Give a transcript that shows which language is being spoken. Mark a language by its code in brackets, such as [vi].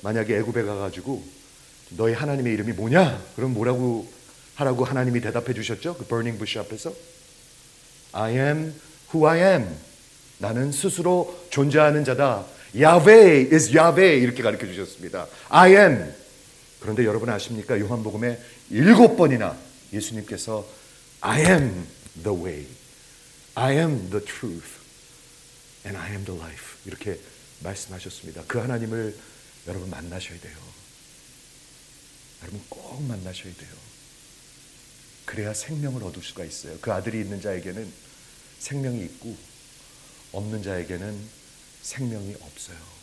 [ko] 만약에 애굽에 가가지고 너희 하나님의 이름이 뭐냐? 그럼 뭐라고 하라고 하나님이 대답해 주셨죠? 그 버닝 부시 앞에서 [en] I am who I am. [ko] 나는 스스로 존재하는 자다. [en] Yahweh is Yahweh [ko] 이렇게 가르쳐 주셨습니다. [en] I am. [ko] 그런데 여러분 아십니까? 요한복음에 일곱 번이나 예수님께서 [en] I am the way, I am the truth, and I am the life [ko] 이렇게 말씀하셨습니다. 그 하나님을 여러분 만나셔야 돼요. 여러분 꼭 만나셔야 돼요. 그래야 생명을 얻을 수가 있어요. 그 아들이 있는 자에게는 생명이 있고 없는 자에게는 생명이 없어요.